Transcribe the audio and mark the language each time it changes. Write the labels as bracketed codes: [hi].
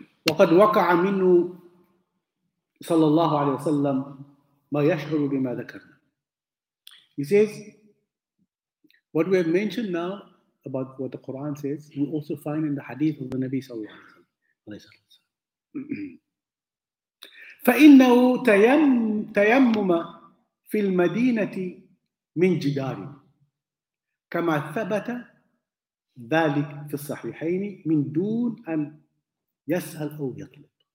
[ar] وقد وقع منه صلى الله عليه وسلم ما يشعر بما ذكرنا. [en] He says, what we have mentioned now about what the Quran says, we also find in the hadith of the Nabi [ar] صلى الله عليه وسلم. فإنه تيمم في المدينة من جدار كما ثبت ذلك في الصحيحين من دون أن يسأل أو يطلب.